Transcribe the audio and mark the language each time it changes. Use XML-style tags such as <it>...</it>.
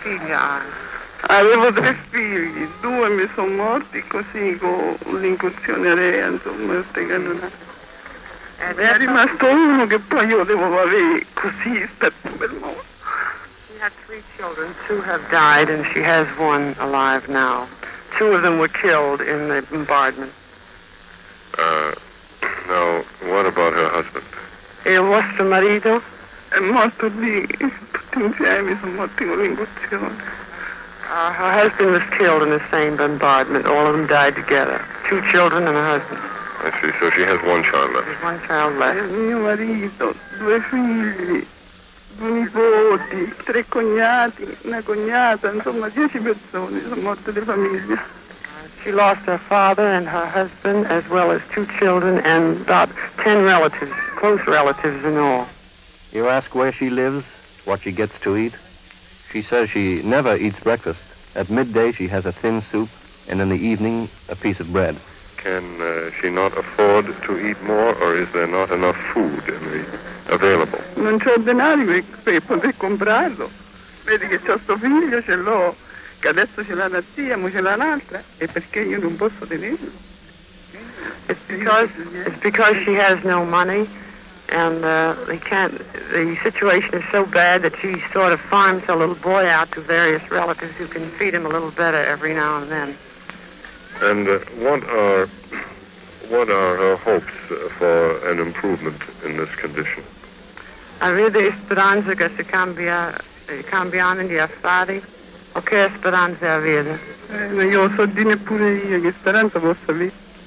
<en>I have three</en> <it>figli, due mi sono morti così con l'incursione rea, insomma, queste cannonate. È rimasto uno che poi io devo avere così, per il mondo.</it> <en>Three children, two have died, and she has one alive now. Two of them were killed in the bombardment. Now, what about her husband?</en> <it>Il vostro marito? È morto lì, tutti insieme sono morti con l'incursione.</it> <en>Her husband was killed in the same bombardment. All of them died together. Two children and a husband. I see, so she has one child left. There's one child left.</en> <it>Il mio marito, due figli. Due nipoti, tre cognati, una cognata, insomma, 10 persone sono morte di famiglia.</it> <en>She lost her father and her husband, as well as two children and about 10 relatives, close relatives in all. You ask where she lives, what she gets to eat. She says she never eats breakfast. At midday, she has a thin soup, and in the evening, a piece of bread. Can she not afford to eat more, or is there not enough food in the available?</en> <it>Non c'è denaro per poter comprarlo. Vedi che c'ho sto figlio, ce l'ho, che adesso ce l'ha la zia, mo ce l'ha l'altra, e perché io non posso tenerlo?</it> <en>It's because she has no money, and the situation is so bad that she sort of farms a little boy out to various relatives who can feed him a little better every now and then. And what are her hopes for an improvement in this condition?</en> <it>Avere speranza che si cambia gli affari, o che speranza avere? Io so di neppure io che speranza possa avere.</it>